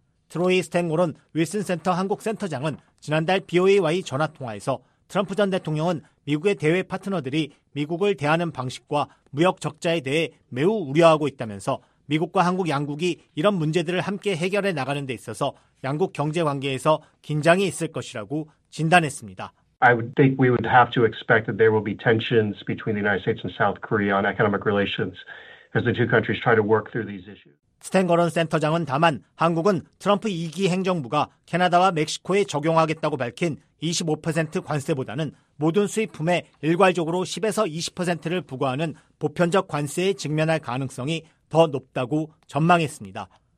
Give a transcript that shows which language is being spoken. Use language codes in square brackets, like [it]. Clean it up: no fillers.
[ko] 트로이 스탱골은 윌슨센터 한국센터장은 지난달 BOE와의 전화통화에서 트럼프 전 대통령은 미국의 대외 파트너들이 미국을 대하는 방식과 무역 적자에 대해 매우 우려하고 있다면서 미국과 한국 양국이 이런 문제들을 함께 해결해 나가는 데 있어서 양국 경제 관계에서 긴장이 있을 것이라고 진단했습니다. [en] I would think we would have to expect that there will be tensions between the United States and South Korea on economic relations as the two countries try to work through these issues. [ko] 스탱거런 센터장은 다만 한국은 트럼프 2기 행정부가 캐나다와 멕시코에 적용하겠다고 밝힌 25% 관세보다는 모든 수입품에 일괄적으로 10에서 20%를 부과하는 보편적 관세에 직면할 가능성이 더 높다고 전망했습니다.